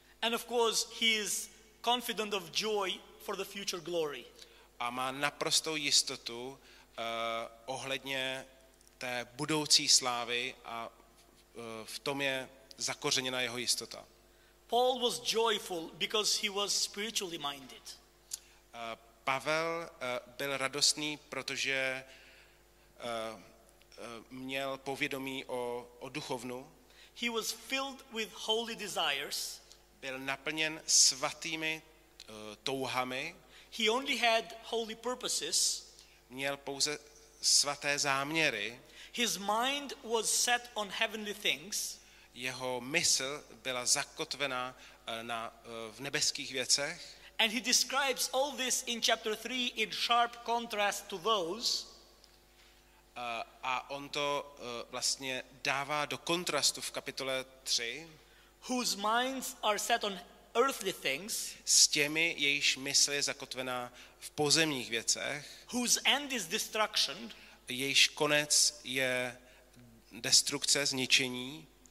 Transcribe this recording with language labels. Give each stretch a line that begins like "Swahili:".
English: And of course he is confident of joy for the future glory.
Czech: A má naprostou jistotu ohledně té budoucí slávy a v tom je zakořeněna jeho jistota.
English: Paul was joyful because he was spiritually minded.
Czech: Pavel byl radostný, protože měl povědomí o duchovnu.
English: He was filled with holy desires.
Czech: Byl naplněn svatými touhami.
English: He only had holy purposes.
Czech: Měl pouze svaté záměry.
English: His mind was set on heavenly things.
Czech: Jeho mysl byla zakotvena v nebeských věcech.
English: And he describes all this in chapter 3 in sharp contrast to those.
Czech: A on to vlastně dává do kontrastu v kapitole 3.
English: Whose minds are set on earthly things.
Czech: S těmi, jejíž mysl je zakotvena v pozemních věcech.
English: Whose end is destruction.
Czech: Jejíž konec je destrukce, zničení.